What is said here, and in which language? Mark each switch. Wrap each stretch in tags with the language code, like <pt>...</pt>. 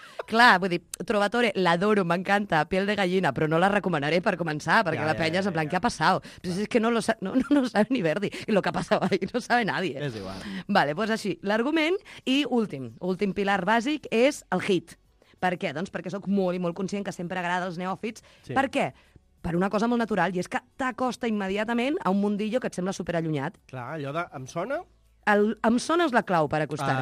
<ca>Clar, vull dir, Trovatore, l'adoro, m'encanta,</ca> <es>piel de gallina,</es> <ca>però no la recomanaré per començar, perquè la penya és en plan,</ca> <es>¿qué ha pasado? Pues es que no sabe ni Verdi, y lo que ha pasado ahí no sabe nadie.</es> <ca>És igual. Vale, pues així, l'argument, i últim pilar bàsic és el hit. Per què? Doncs perquè sóc molt i molt conscient que sempre agrada als neòfits. Sí. Per què? Per una cosa molt natural, i és que t'acosta immediatament a un mundillo que et sembla superallunyat. Clar, allò de... em sona? Em sona és la clau per acostar-te.</ca>